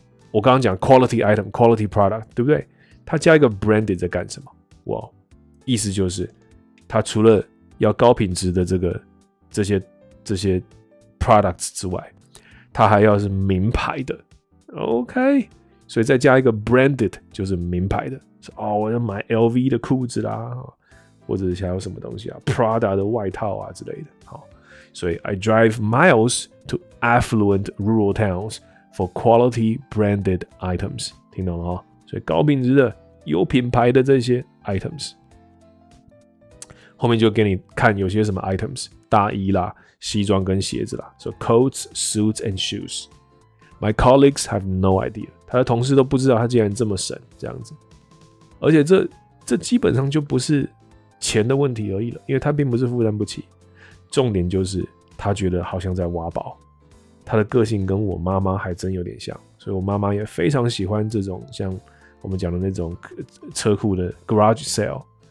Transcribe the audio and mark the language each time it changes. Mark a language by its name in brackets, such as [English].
[Chinese] 我刚刚讲 quality item， quality product， 对不对？他加一个 branded 在干什么？哇，意思就是他除了要高品质的这些 products 之外，它还要是名牌的 ，OK， 所以再加一个 branded 就是名牌的，哦，我要买 LV 的裤子啦，或者想要什么东西啊 ，Prada 的外套啊之类的，好，所以 [English] I drive miles to affluent rural towns for quality branded items， [Chinese] 听懂了哈，所以高品质的、有品牌的这些 items， 后面就给你看有些什么 items， 大衣啦。西装跟鞋子啦 [English] ，so coats, suits and shoes. My colleagues have no idea. [Chinese] 他的同事都不知道他竟然这么省这样子，而且这基本上就不是钱的问题而已了，因为他并不是负担不起。重点就是他觉得好像在挖宝，他的个性跟我妈妈还真有点像，所以我妈妈也非常喜欢这种像我们讲的那种车库的 garage sale。